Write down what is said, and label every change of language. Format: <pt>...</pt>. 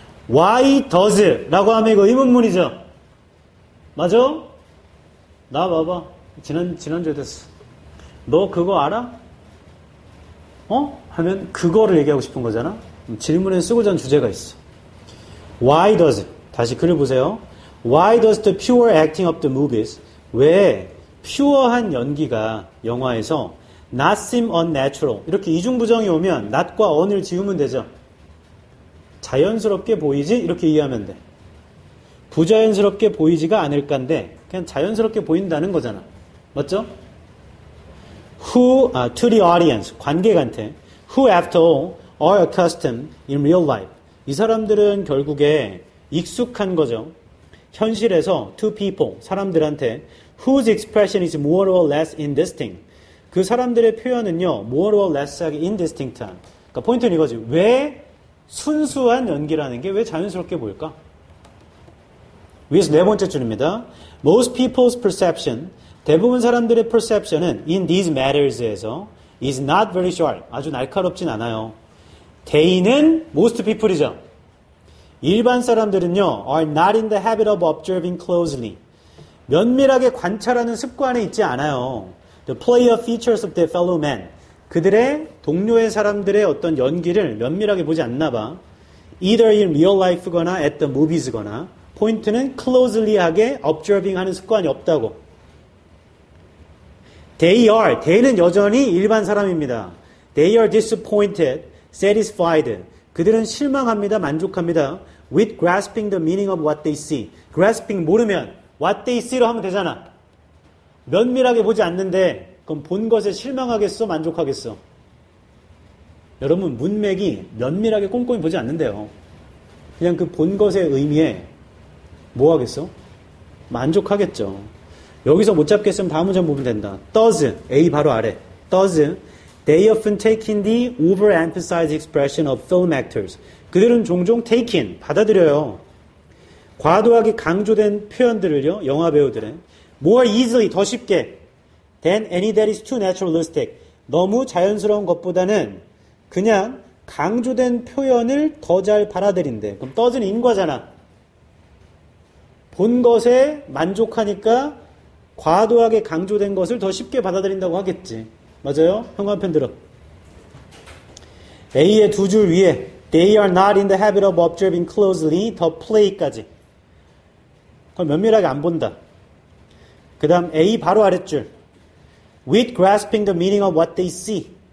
<en>Why does?</en> <ko>라고 하면 이거 의문문이죠? 맞아? 나 봐봐. 지난주에 됐어. 너 그거 알아? 어? 하면 그거를 얘기하고 싶은 거잖아? 질문에 쓰고자 하는 주제가 있어.</ko> <en>Why does?</en> <ko>다시 글을 보세요.</ko> <en>Why does the pure acting of the movies?</en> <ko>왜 퓨어한 연기가 영화에서</ko> <en>not seem unnatural.</en> <ko>이렇게 이중부정이 오면 not과 on을 지우면 되죠. 자연스럽게 보이지? 이렇게 이해하면 돼. 부자연스럽게 보이지가 않을까인데 그냥 자연스럽게 보인다는 거잖아. 맞죠?</ko> <en>To the audience,</en> <ko>관객한테</ko> <en>who after all are accustomed in real life.</en> <ko>이 사람들은 결국에 익숙한 거죠. 현실에서</ko> <en>to people,</en> <ko>사람들한테</ko> <en>whose expression is more or less indistinct.</en> <ko>그 사람들의 표현은요,</ko> <en>more or less하게 indistinct한.</en> <ko>그러니까 포인트는 이거지. 왜 순수한 연기라는 게 왜 자연스럽게 보일까? 위에서 네 번째 줄입니다.</ko> <en>Most people's perception,</en> <ko>대부분 사람들의</ko> <en>perception은 in these matters에서 is not very sharp.</en> <ko>아주 날카롭진 않아요.</ko> <en>They는 most people이죠.</en> <ko>일반 사람들은요,</ko> <en>are not in the habit of observing closely.</en> <ko>면밀하게 관찰하는 습관에 있지 않아요.</ko> <en>The player features of their fellow men.</en> <ko>그들의 동료의 사람들의 어떤 연기를 면밀하게 보지 않나 봐.</ko> <en>Either in real life거나 at the movies거나.</en> <ko>포인트는 closely하게 observing 하는 습관이 없다고.</ko> <en>They are. They는 여전히 일반 사람입니다. They are disappointed, satisfied.</en> <ko>그들은 실망합니다. 만족합니다.</ko> <en>With grasping the meaning of what they see. Grasping</en> <ko>모르면</ko> <en>what they see로</en> <ko>하면 되잖아. 면밀하게 보지 않는데 그럼 본 것에 실망하겠어? 만족하겠어? 여러분 문맥이 면밀하게 꼼꼼히 보지 않는데요. 그냥 그 본 것의 의미에 뭐 하겠어? 만족하겠죠. 여기서 못 잡겠으면 다음 문장 보면 된다. Does, A 바로 아래.</ko> <en>Does, they often take in the overemphasized expression of film actors.</en> <ko>그들은 종종 take in, 받아들여요. 과도하게 강조된 표현들을요, 영화 배우들의.</ko> <en>More easily,</en> <ko>더 쉽게.</ko> <en>Than any that is too naturalistic.</en> <ko>너무 자연스러운 것보다는 그냥 강조된 표현을 더 잘 받아들인대. 그럼 떠지는 인과잖아. 본 것에 만족하니까 과도하게 강조된 것을 더 쉽게 받아들인다고 하겠지. 맞아요? 형광펜 들어. A의 두 줄 위에</ko> <en>They are not in the habit of observing closely the play까지.</en> <ko>그걸 면밀하게 안 본다. 그 다음 A 바로 아랫줄.</ko> <en>With grasping the meaning of what they see.</en>